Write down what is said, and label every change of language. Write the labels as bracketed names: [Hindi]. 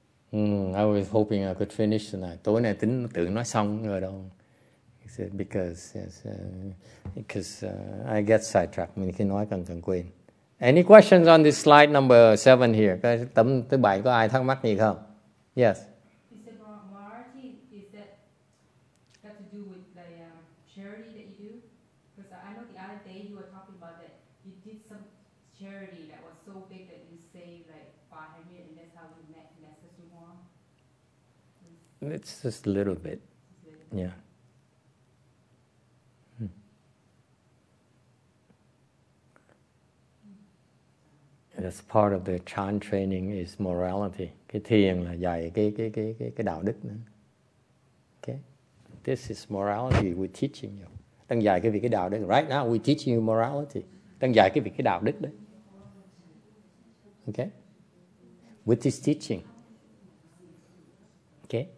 [English] I was hoping I could finish tonight. [Vietnamese] Tối nay tính tưởng nói xong rồi đâu. [English] Because I get sidetracked. [Vietnamese] Mình khi nói cần cần quên. [English] Any questions on this slide number 7 here? [Vietnamese] Cái tấm thứ bảy có ai thắc mắc gì không? [English] Yes. Is the morality, is that got to do with the charity that you do? Because I know the other day you were talking about that you did some charity that was so big that you saved like 500 and that's how you met Master Suwon. It's just a little bit. Yeah. That's part of the chan training is morality. [Vietnamese] Cái thiền là dạy cái đạo đức nữa. Okay? [English] This is morality we're teaching you. [Vietnamese] Đang dạy cái việc cái đạo đức. [English] Right now we're teaching you morality. [Vietnamese] Đang dạy cái việc cái đạo đức đấy. [English] Okay? With this teaching. Okay?